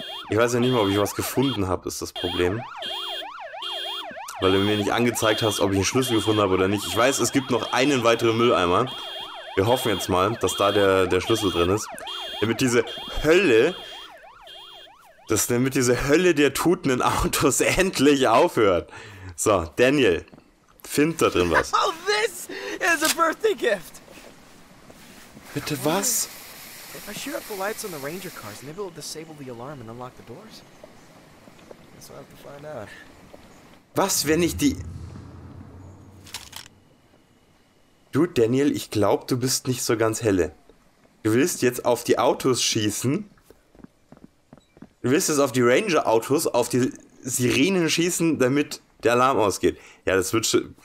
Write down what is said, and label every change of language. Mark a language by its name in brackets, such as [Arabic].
[German] Ich weiß ja nicht mal, ob ich was gefunden habe, ist das Problem. Weil du mir nicht angezeigt hast, ob ich einen Schlüssel gefunden habe oder nicht. Ich weiß, es gibt noch einen weiteren Mülleimer. Wir hoffen jetzt mal, dass da der Schlüssel drin ist. Damit diese Hölle... damit diese Hölle der tutenden Autos endlich aufhört. So, Daniel. Find da drin was. [English] Oh, this is a birthday gift. [German] Bitte was? [English] If I shoot up the lights on the ranger cars, maybe it'll disable the alarm and unlock the doors. Guess we'll have to find out. [German] Was, wenn ich die... Du, Daniel, ich glaube, du bist nicht so ganz helle. Du willst jetzt auf die Autos schießen. Du willst jetzt auf die Ranger-Autos, auf die Sirenen schießen, damit... der Alarm ausgeht. Ja, das wird schon...